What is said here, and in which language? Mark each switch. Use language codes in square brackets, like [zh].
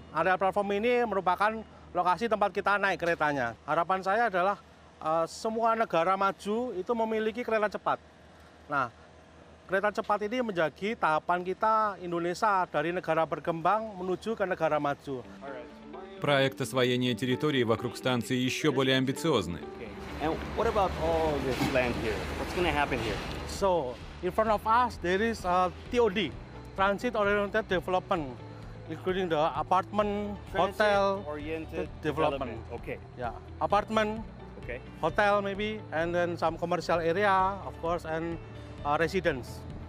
[id] Area platform ini merupakan lokasi tempat kita naik keretanya. Harapan saya adalah semua negara maju itu memiliki kereta cepat. Nah, kereta cepat ini menjadi tahapan kita Indonesia dari negara berkembang menuju ke negara maju. [ru] Проект освоения территории вокруг станции еще более амбициозный. [en] And what about all this land here? What's going to happen here? So, in front of us, there is a TOD, Transit Oriented Development, including the apartment, hotel, development. Okay. Yeah, apartment, okay. Hotel maybe, and then some commercial area, of course, and residence.